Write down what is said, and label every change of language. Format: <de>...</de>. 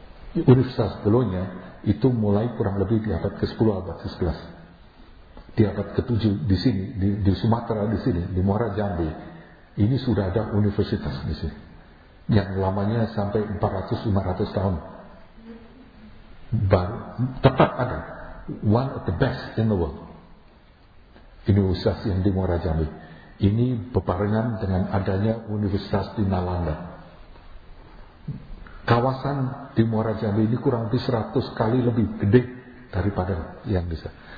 <id>Universitas Bologna itu mulai kurang lebih di abad ke-10, abad ke-11. Di abad ke-7 di sini, di Sumatera di sini, di Muara Jambi, ini sudah ada universitas di sini. Yang lamanya sampai 400-500 tahun. Baru, tetap ada.</id> <en>One of the best in the world.</en> <id>Universitas yang di Muara Jambi. Ini berbarengan dengan adanya universitas di Nalanda. Kawasan di Muara Jambi ini kurang lebih 100 kali lebih gede daripada yang bisa.</id>